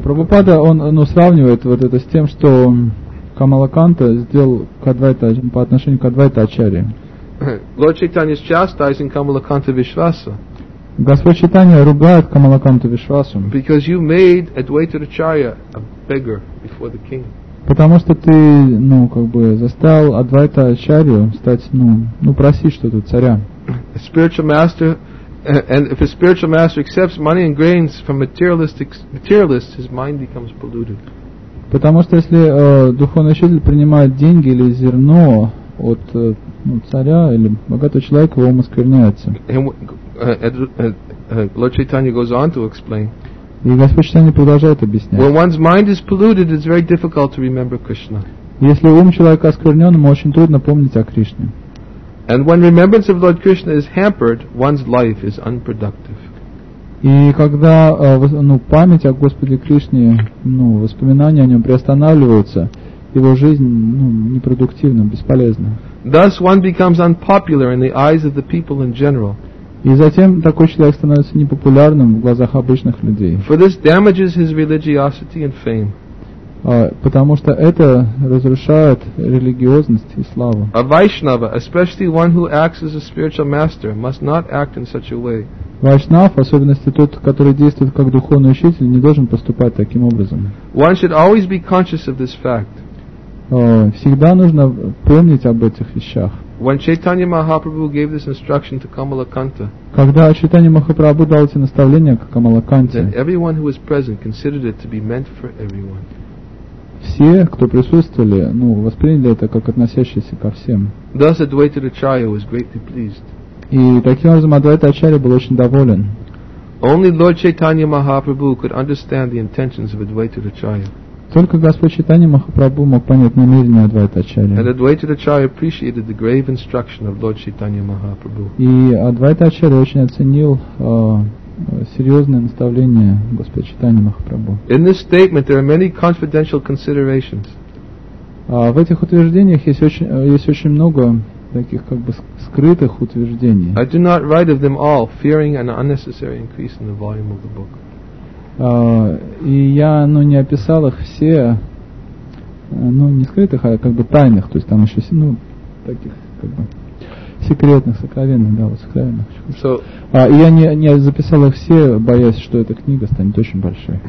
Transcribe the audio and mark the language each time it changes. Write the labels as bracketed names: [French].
[Russian] Прабхупада, он, сравнивает вот это с тем, что Камалаканта сделал Кадвайта, по отношению к Адвайта Ачарье. [English] Lord Chaitanya is chastising Kamalakanta Vishvasa. [Russian] Господь Чайтанья ругает Камалаканту Вишвасу. [English] Because you made Advaita Acharya a beggar before the king. [Russian] Потому что ты, заставил Адвайта Ачарью стать, просить что-то царя. [English] A spiritual master, and if a spiritual master accepts money and grains from materialists, his mind becomes polluted. [Russian] Потому что если духовный учитель принимает деньги или зерно от царя или богатого человека, его ум оскверняется. [English] Lord Chaitanya goes on to explain. [Russian] И Господь Читание продолжает объяснять. [English] When one's mind is polluted, it's very difficult to remember Krishna. [Russian] Если ум человека осквернен, ему очень трудно помнить о Кришне. [English] And when remembrance of Lord Krishna is hampered, one's life is unproductive. [Russian] И когда память о Господе Кришне, воспоминания о нем приостанавливаются, его жизнь непродуктивна, бесполезна. [English] Thus one becomes unpopular in the eyes of the people in general. [Russian] И затем такой человек становится непопулярным в глазах обычных людей. [English] For this damages his religiosity and fame. [Russian] Потому что это разрушает религиозность и славу. [English] A Vaishnava, especially one who acts as a spiritual master, must not act in such a way. [Russian] Вайшнав, в особенности тот, который действует как духовный учитель, не должен поступать таким образом. [English] One should always be conscious of this fact. [Russian] Всегда нужно помнить об этих вещах. [English] When Chaitanya Mahaprabhu gave this instruction to Kamalakanta, [Russian] когда Чайтанья Махапрабху дал эти наставления к Камалаканте, [English] then everyone who was present considered it to be meant for everyone. [Russian] Все, кто присутствовали, восприняли это как относящееся ко всем. [English] Thus Advaita Acharya was greatly pleased. [Russian] И таким образом Адвайта Ачарья был очень доволен. [English] Only Lord Chaitanya Mahaprabhu could understand the intentions of Advaita Acharya. [Russian] Только Господь Чайтанья Махапрабху мог понять намерения Адвайта Ачарьи. [English] And Advaita Acharya appreciated the grave instruction of Lord Chaitanya Mahaprabhu. [Russian] И Адвайта Ачарья очень оценил серьезное наставление Господа Чайтанья Махапрабху. [English] In this statement there are many confidential considerations. [Russian] В этих утверждениях есть очень много таких скрытых утверждений. [English] I do not write of them all, fearing an unnecessary increase in the volume of the book. [Russian] И я не описал их все, не скрытых, а тайных, то есть там еще таких секретных, сокровенных, сокровенных. И я не записал их все, боясь, что эта книга станет очень большой.